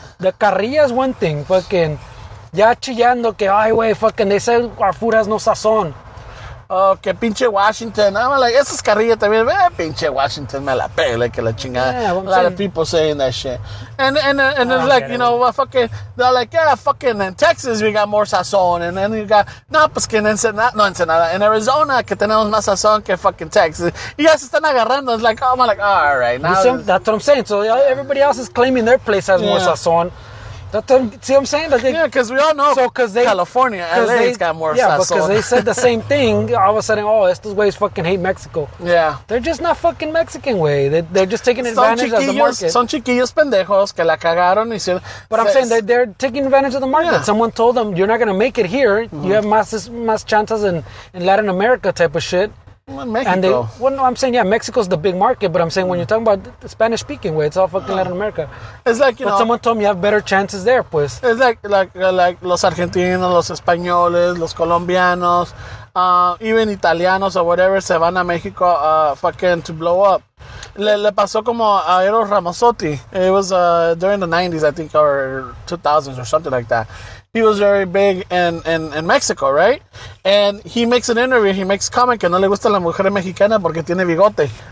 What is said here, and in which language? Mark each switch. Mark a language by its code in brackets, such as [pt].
[en] The carrilla is one thing. Fucking... [es] Ya chillando que, ay, güey, [en] fucking, they say our food has no sazón. [es] Oh, que pinche Washington. [en] I'm like, [es] esa es carrilla también. Ve, pinche Washington, me la pele, que la chingada. [en] Yeah, a lot of people saying that shit. And it's like, you know, well, fucking, they're like, yeah, fucking, in Texas, we got more sazón. [es] And then you got, no, pues que en Ensenada, no, Ensenada. In Arizona, que tenemos más sazón que fucking Texas. Y ya se están agarrando. [en] It's like, oh, I'm like, all right. Now see, that's what I'm saying. So everybody else is claiming their place has more sazón. That's, see what I'm saying? Yeah, because we all know California, LA, has got more sazón. Yeah, because they said the same thing. All of a sudden, oh, [es] estos güeyes [en] fucking hate Mexico. Yeah. They're just not fucking Mexican, güey. They're just taking advantage of the market. [es] Son chiquillos pendejos que la cagaron. [en] But I'm saying they're taking advantage of the market. Yeah. Someone told them, you're not going to make it here. Mm-hmm. You have [es] más chances [en] in Latin America type of shit. Mexico. And I'm saying, yeah, Mexico's the big market, but I'm saying when you're talking about the Spanish speaking way, it's all fucking Latin America. It's like, you know, someone told me you have better chances there, pues. It's like [es] los argentinos, los españoles, los colombianos, even italianos [en] or whatever, [es] se van a Mexico [en] fucking to blow up. [es] Le pasó como a Eros Ramazzotti. [en] It was during the 90s, I think, or 2000s or something like that. He was very big in Mexico, right? And he makes an interview. He makes comment [es] que no le gusta la mujer mexicana porque tiene bigote.